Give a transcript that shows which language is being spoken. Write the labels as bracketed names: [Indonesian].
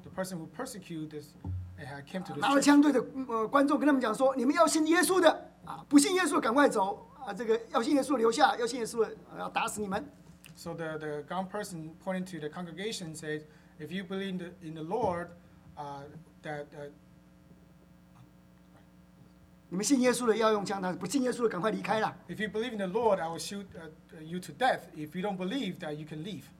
[English] The person who persecuted this, had came to this. [Chinese] 拿着枪对着观众跟他们讲说：“你们要信耶稣的啊，不信耶稣赶快走啊！这个要信耶稣留下，要信耶稣的要打死你们。” [English] So the gun person pointing to the congregation said, "If you believe in the Lord, that [Chinese] 你们信耶稣的要用枪，不信耶稣的赶快离开了。 [English] If you believe in the Lord, I will shoot you to death. If you don't believe, that you can leave."